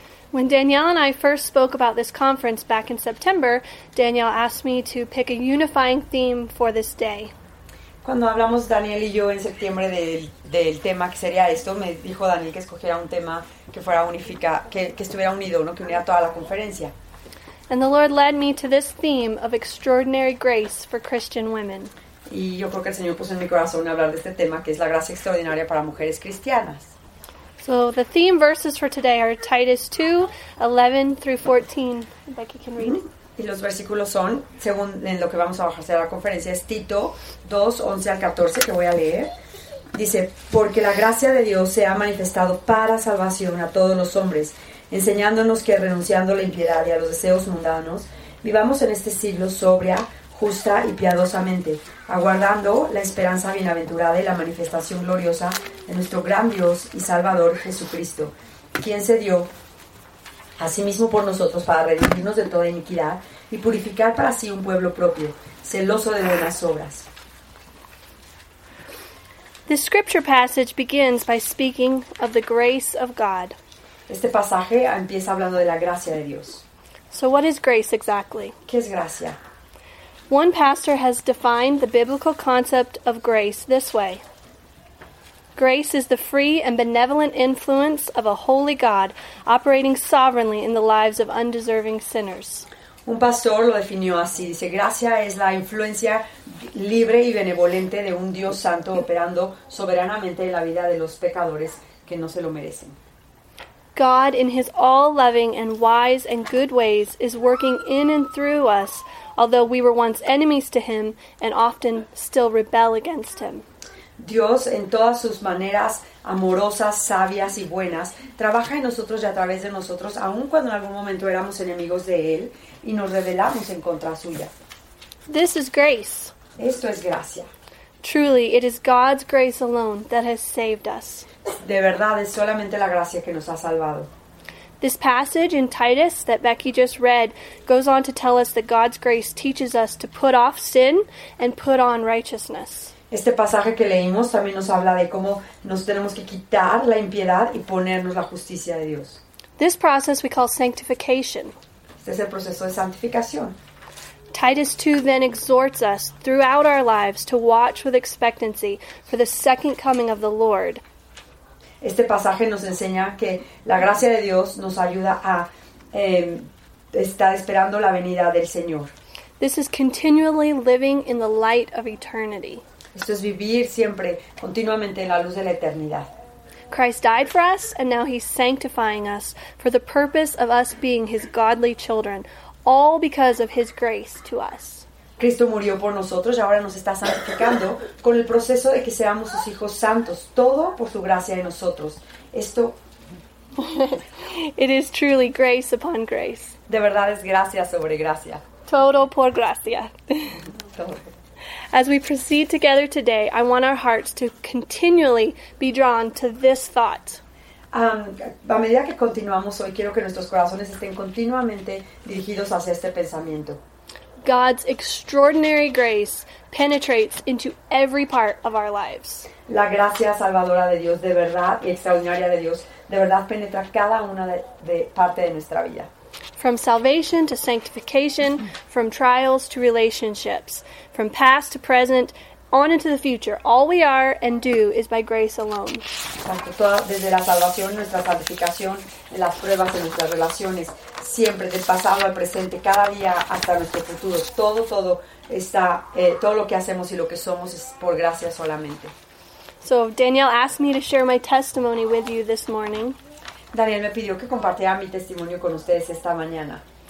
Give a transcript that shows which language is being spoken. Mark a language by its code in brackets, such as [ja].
[en] When Danielle and I first spoke about this conference back in September, Danielle asked me to pick a unifying theme for this day. [es] Cuando hablamos Daniel y yo en septiembre del tema que sería esto, me dijo Daniel que escogiera un tema que fuera unifica, que estuviera unido, ¿no? Que uniera toda la conferencia. [en] And the Lord led me to this theme of extraordinary grace for Christian women. [es] Y yo creo que el Señor puso en mi corazón hablar de este tema, que es la gracia extraordinaria para mujeres cristianas. [en] So the theme verses for today are Titus 2:11-14. Becky can read. [es] Y los versículos son, según en lo que vamos a bajarse a la conferencia, es Tito 2:11-14, que voy a leer. Dice, porque la gracia de Dios se ha manifestado para salvación a todos los hombres, enseñándonos que renunciando a la impiedad y a los deseos mundanos, vivamos en este siglo sobria, justa y piadosamente, aguardando la esperanza bienaventurada y la manifestación gloriosa de nuestro gran Dios y Salvador Jesucristo, quien se dio asimismo por nosotros para redimirnos de toda iniquidad y purificar para sí un pueblo propio, celoso de buenas obras. [en] The scripture passage begins by speaking of the grace of God. [es] Este pasaje empieza hablando de la gracia de Dios. [en] So what is grace exactly? [es] ¿Qué es gracia? [en] One pastor has defined the biblical concept of grace this way. Grace is the free and benevolent influence of a holy God operating sovereignly in the lives of undeserving sinners. [es] Un pastor lo definió así, dice, gracia es la influencia libre y benevolente de un Dios santo operando soberanamente en la vida de los pecadores que no se lo merecen. [en] God in his all-loving and wise and good ways is working in and through us, although we were once enemies to him and often still rebel against him. [es] Dios, en todas sus maneras amorosas, sabias y buenas, trabaja en nosotros y a través de nosotros, aun cuando en algún momento éramos enemigos de Él y nos rebelamos en contra suya. [en] This is grace. [es] Esto es gracia. [en] Truly, it is God's grace alone that has saved us. [es] De verdad, es solamente la gracia que nos ha salvado. [en] This passage in Titus that Becky just read goes on to tell us that God's grace teaches us to put off sin and put on righteousness. [es] Este pasaje que leímos también nos habla de cómo nos tenemos que quitar la impiedad y ponernos la justicia de Dios. [en] This process we call sanctification. [es] Este es el proceso de santificación. [en] Titus 2 then exhorts us throughout our lives to watch with expectancy for the second coming of the Lord. [es] Este pasaje nos enseña que la gracia de Dios nos ayuda a estar esperando la venida del Señor. [en] This is continually living in the light of eternity. [es] Esto es vivir siempre, continuamente en la luz de la eternidad. [en] Christ died for us, and now he's sanctifying us for the purpose of us being his godly children, all because of his grace to us. [es] Cristo murió por nosotros y ahora nos está santificando con el proceso de que seamos sus hijos santos, todo por su gracia en nosotros. Esto... [en] It is truly grace upon grace. [es] De verdad es gracia sobre gracia. Todo por gracia. Todo. [en] As we proceed together today, I want our hearts to continually be drawn to this thought. [es] A medida que continuamos hoy, quiero que nuestros corazones estén continuamente dirigidos hacia este pensamiento. [en] God's extraordinary grace penetrates into every part of our lives. [es] La gracia salvadora de Dios, de verdad, y extraordinaria de Dios, de verdad penetra cada una de parte de nuestra vida. [en] From salvation to sanctification, from trials to relationships, from past to present, on into the future, all we are and do is by grace alone. [es] Desde la salvación, nuestra santificación, las pruebas en nuestras relaciones, siempre del pasado al presente, cada día hasta nuestro futuro, todo está, todo lo que hacemos y lo que somos es por gracia solamente. [en] So Danielle asked me to share my testimony with you this morning. [es] Daniel me pidió que compartiera mi testimonio con ustedes esta mañana.